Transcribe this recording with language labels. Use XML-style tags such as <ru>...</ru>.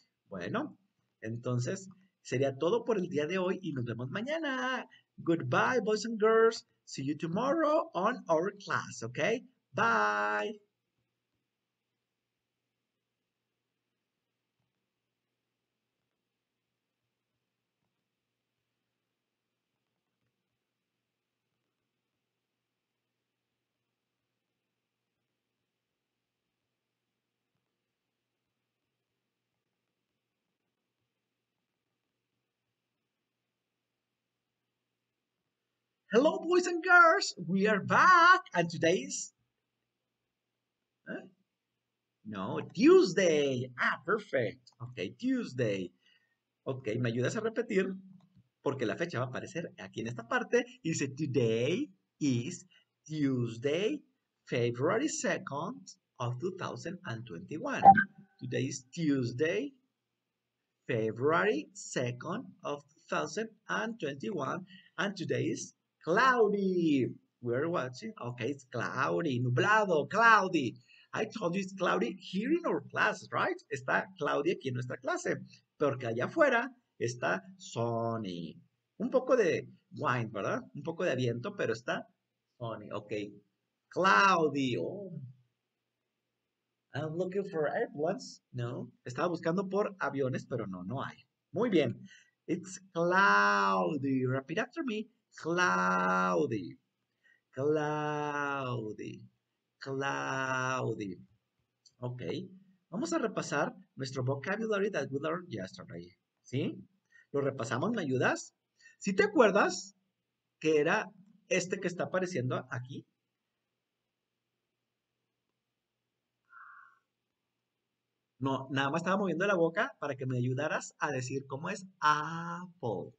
<es>Bueno, entonces sería todo por el día de hoy y nos vemos mañana.</es> <en>Goodbye, boys and girls. See you tomorrow on our class, okay? Bye. Hello, boys and girls, we are back, and today is, no, Tuesday. Ah, perfect. Okay, Tuesday.</en> <es>Okay, me ayudas a repetir, porque la fecha va a aparecer aquí en esta parte. Dice,</es> <en>today is Tuesday, February 2nd of 2021. Today is Tuesday, February 2nd of 2021, and today is cloudy. We're watching. Okay, it's cloudy,</en> <es>nublado,</es> <en>cloudy. I told you it's cloudy here in our class, right?</en> <es>Está cloudy aquí en nuestra clase, porque allá afuera está sunny. Un poco de wind, ¿verdad? Un poco de viento, pero está sunny.</es> <en>Ok, cloudy. Oh. I'm looking for airplanes.</en> <es>No, estaba buscando por aviones, pero no, no hay. Muy bien.</es> <en>It's cloudy. Repeat after me. Cloudy, cloudy, cloudy. Ok,</en> <es>vamos a repasar nuestro</es> <en>vocabulary that we learned yesterday.</en> <es>¿Sí? Lo repasamos, ¿me ayudas? Si te acuerdas que era este que está apareciendo aquí. No, nada más estaba moviendo la boca para que me ayudaras a decir cómo es apple.</es>